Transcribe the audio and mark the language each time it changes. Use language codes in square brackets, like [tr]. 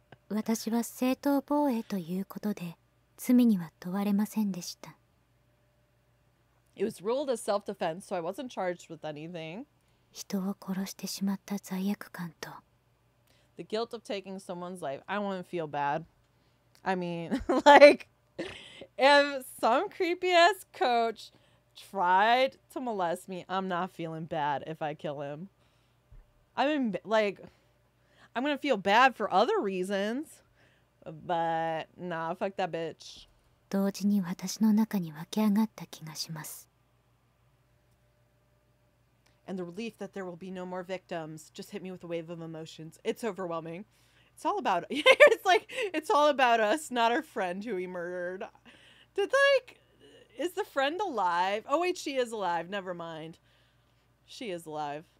[ja] 私は正当防衛ということで罪には問われませんでした。 [en] It was ruled as self-defense, so I wasn't charged with anything. [ja] 人を殺してしまった罪悪感と。 [en] The guilt of taking someone's life, I wouldn't feel bad. I mean, like, if some creepy ass coach... tried to molest me, I'm not feeling bad if I kill him. I mean, like, I'm gonna feel bad for other reasons, but nah, fuck that bitch. [ja] 同時に私の中に湧き上がった気がします。 [en] And the relief that there will be no more victims just hit me with a wave of emotions. It's overwhelming. It's all about, it's like, it's all about us, not our friend who we murdered. Did like... Is the friend alive? Oh, wait, she is alive. Never mind. She is alive.